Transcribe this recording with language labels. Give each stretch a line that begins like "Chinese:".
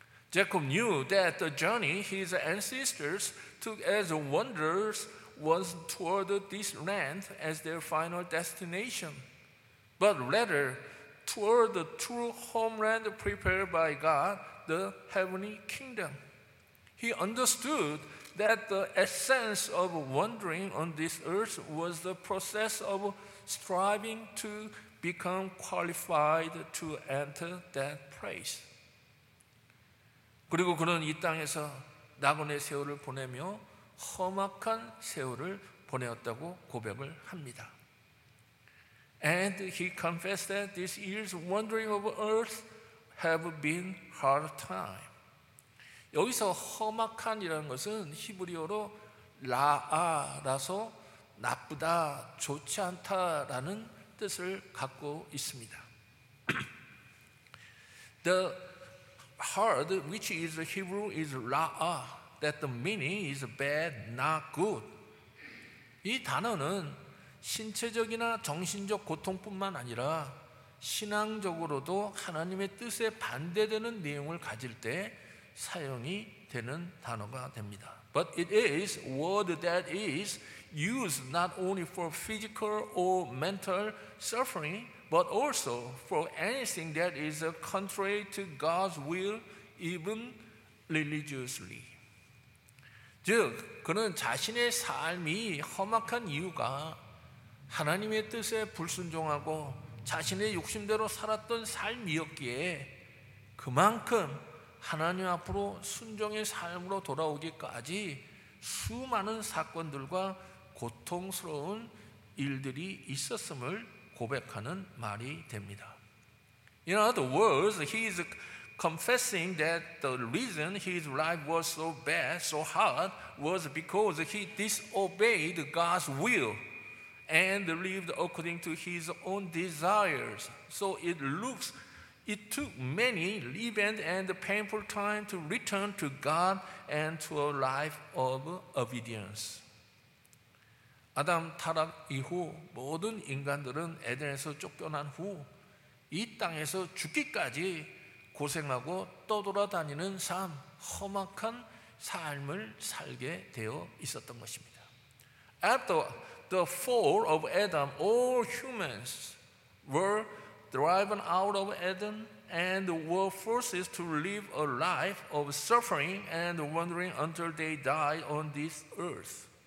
English: Jacob knew that the journey his ancestors took as wanderers was toward this land as their final destination, but rather toward the true homeland prepared by God, the heavenly kingdom. He understood that the essence of wandering on this earth was the process of striving to become qualified to enter that place.
Korean: 그리고 그는 이 땅에서 낙원의 세월을 보내며 험악한 세월을 보내었다고 고백을 합니다.
English: And he confessed that these years wandering over earth have been hard time.
Korean: 여기서 험악한이라는 것은 히브리어로 라아라서 나쁘다, 좋지 않다라는 뜻을 갖고 있습니다.
English: The hard, which is the Hebrew, is ra'a. That the meaning is bad, not good.
Korean: 이 단어는 신체적이나 정신적 고통뿐만 아니라 신앙적으로도 하나님의 뜻에 반대되는 내용을 가질 때 사용이 되는 단어가 됩니다.
English: But it is a word that is used not only for physical or mental suffering, but also for anything that is contrary to God's will, even religiously.
Korean: 즉, 그는 자신의 삶이 험악한 이유가 하나님의 뜻에 불순종하고 자신의 욕심대로 살았던 삶이었기에 그만큼 하나님 앞으로 순종의 삶으로 돌아오기까지 수많은 사건들과 고통스러운 일들이 있었음을 고백하는 말이 됩니다.
English: In other words, he is confessing that the reason his life was so bad, so hard, was because he disobeyed God's will and lived according to his own desires. So it looks It took many events and painful time to return to God and to a life of obedience.
Korean: 아담 타락 이후 모든 인간들은 에덴에서 쫓겨난 후 이 땅에서 죽기까지 고생하고 떠돌아다니는 삶, 험악한 삶을 살게 되어 있었던 것입니다.
English: After the fall of Adam, all humans were driven out of Eden and were forced to live a life of suffering and wandering until they died on this earth.